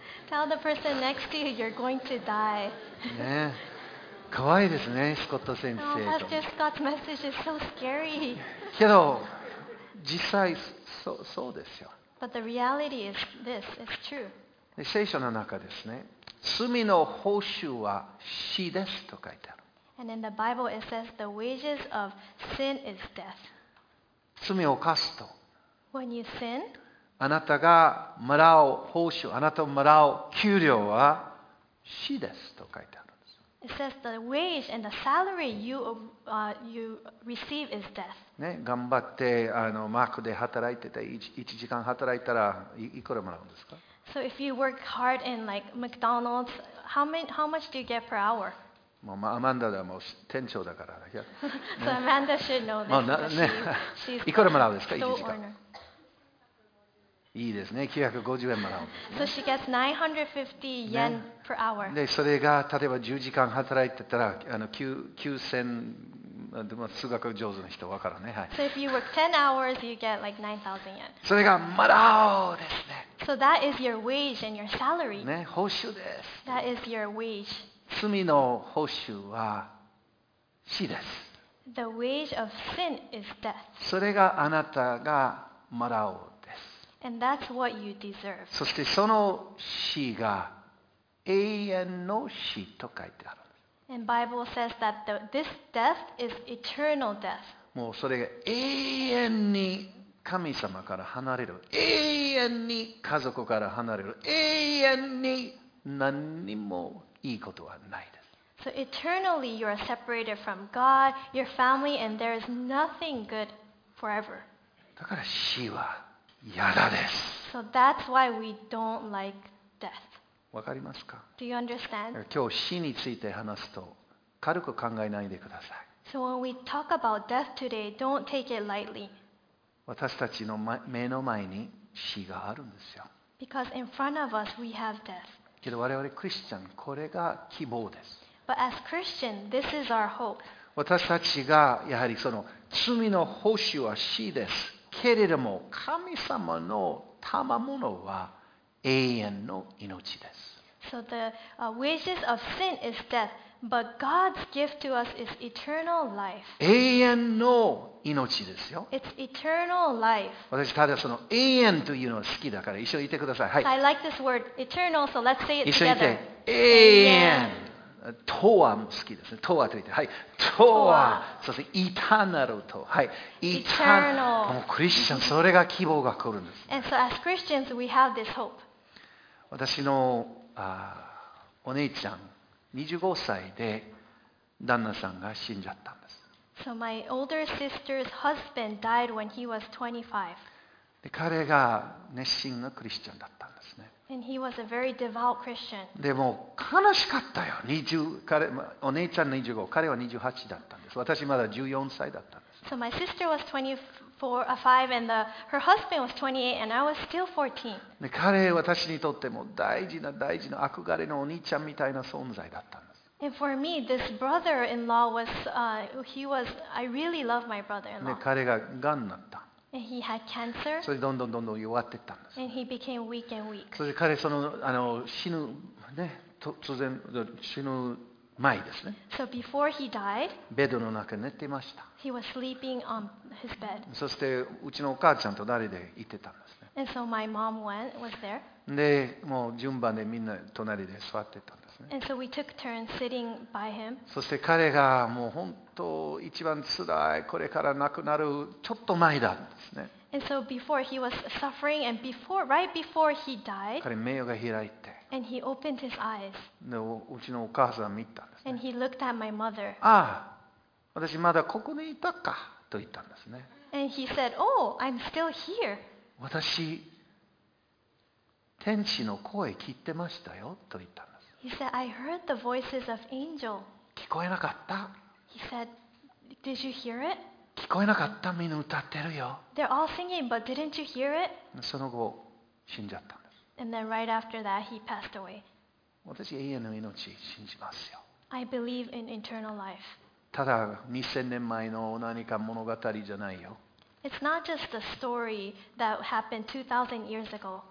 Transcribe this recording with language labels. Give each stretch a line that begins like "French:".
English: Tell the person next to you, you're going to die.
Japanese: ね、怖いですね、スコット先生。
English: Oh, Pastor Scott's message is so scary.
Japanese: けど、実際そうですよ。
English: But the reality is this, it's true.
Japanese: で、聖書の中ですね、罪の報酬は死ですと書いてある。
English: And in the Bible it says the wages of sin is death.
Japanese: 罪を犯すと
English: When you sin,
Japanese: あなたがもらう報酬、あなたをもらう給料は死ですと書いてあるんです。
English: It says the wage and the salary you receive is death.
Japanese: ね、頑張ってマックで働いてて1時間働いたらいくらもらうんですか?
English: So if you work hard in like McDonald's, how much do you get per hour?
Japanese: もうアマンダはもう店長だから、ね。
English: So Amanda should know this.
Japanese: まあね、いくらもらうですか、1時間。いいですね、950円もらう、ね。
English: So she gets 950 yen per hour.
Japanese: で、それが例えば10時間働いてたら、9000、でも数学上手な人分からね、はい。
English: So if you work 10 hours, you get like 9000 yen.
Japanese: それがもらうですね。
English: So that is your wage and your salary.
Japanese: ね、報酬です。
English: That is your wage.
Japanese: 罪の報酬は死です。
English: The wage of sin is death.
Japanese: それがあなたがもらうです。
English: And that's what you deserve.
Japanese: そしてその死が永遠の死と書いてある。
English: And Bible says that this death is eternal death.
Japanese: もうそれが永遠に神様から離れる、永遠に家族から離れる、永遠に何にもいいことはないです。
English: So eternally you are separated from God, your family, and there is nothing good forever.
Japanese: だから死は嫌だです。
English: So that's why we don't like death.
Japanese: わかりますか?
English: Do you understand?
Japanese: 今日死について話すと軽く考えないでください。
English: So when we talk about death today, don't take it lightly.
Japanese: 私たちの目の前に死があるんですよ。
English: Because in front of us we have death.
Japanese: けど我々クリスチャン、これが希望です。
English: But as Christian, this is our hope.
Japanese: 私たちがやはりその罪の報酬は死です。けれども神様の賜物は永遠の命です。
English: So the wages of sin is death, but God's gift to us is eternal life.
Japanese: 永遠の命ですよ。
English: It's eternal life.
Japanese: 私ただその永遠というのを好きだから一緒に言ってください。はい。
English: I like this word eternal, so let's say it together.
Japanese: 一緒に言って。永遠。とはも好きですね。とはと言って。はい。とは。そしてイタナルと。はい。
English: Eternal.
Japanese: もうクリスチャン、それが希望が来るんです。
English: And so as Christians, we have this hope.
Japanese: 私のお姉ちゃん、25歳で旦那さんが死んじゃったんです。
English: So my older sister's husband died when he was 25.
Japanese: で、彼が熱心なクリスチャンだったんですね。
English: And he was a very devout Christian.
Japanese: でも悲しかったよ。お姉ちゃんの25、彼は28だったんです。私まだ14歳だったんです。
English: So my sister was 25 and her husband was 28 and I was still 14.
Japanese: で、彼は私にとっても大事な大事な憧れのお兄ちゃんみたいな存在だったんです。
English: And for me, this brother-in-law was—I really love my brother-in-law.
Japanese: 彼が癌になった。
English: And he had cancer.
Japanese: それどんどんどんどん弱ってったんです。
English: And he became weak and weak.
Japanese: それで彼その死ぬね突然死ぬ前ですね。
English: So before he died,
Japanese: ベッドの中に寝ていました。
English: He was sleeping on his bed.
Japanese: そしてうちのお母ちゃんと誰で行ってたんですね。
English: And so my mom went, was there.
Japanese: で、もう順番でみんな隣で座ってたんですね。
English: And so we took turns sitting by him.
Japanese: そして彼がもう本当一番つらい、これから亡くなるちょっと前だったんですね。
English: And so before he was suffering, and before, right before he died,
Japanese: 彼目が開いて、
English: and he opened his eyes.
Japanese: で、うちのお母さん見たんですね。
English: And he looked at my mother.
Japanese: ああ、私まだここにいたかと言ったんですね。
English: And he said, "Oh, I'm still here."
Japanese: 私、天使の声聞いてましたよと言ったんです。
English: He said, "I heard the voices of angel."
Japanese: 聞こえなかった。
English: He said, "Did you hear it?"
Japanese: 聞こえなかった。みんな歌ってるよ。
English: They're all singing, but didn't you hear it?
Japanese: その後死んじゃったんです。
English: And then right after that, he passed away.
Japanese: 私永遠の命信じますよ。
English: I believe in eternal life.
Japanese: ただ2000年前の何か物語じゃないよ。
English: It's not just a story that happened 2000 years ago.